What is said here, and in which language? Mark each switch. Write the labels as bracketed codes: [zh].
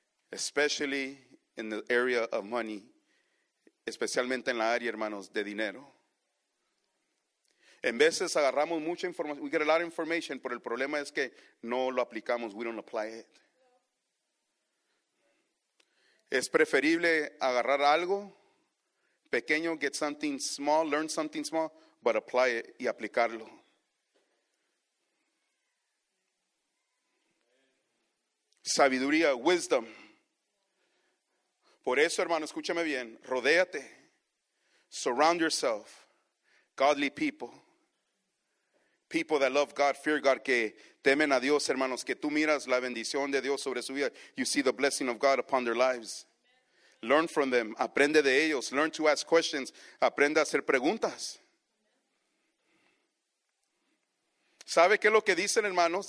[en] Especially in the area of money. [es] Especialmente en la área, hermanos, de dinero. En veces agarramos mucha información, [en] we get a lot of information, [es] pero el problema es que no lo aplicamos, [en] we don't apply it. [es] Es preferible agarrar algo pequeño, [en] get something small, learn something small, but apply it [es] y aplicarlo. Sabiduría, wisdom. Por eso, hermano, escúchame bien. Rodéate. [en] Surround yourself. Godly people. People that love God, fear God, [es] que temen a Dios, [en] hermanos. [es] Que tú miras la bendición de Dios sobre su vida. [en] You see the blessing of God upon their lives. Learn from them. [es] Aprende de ellos. [en] Learn to ask questions. [es] Aprende a hacer preguntas. ¿Sabe qué es lo que dicen, hermanos?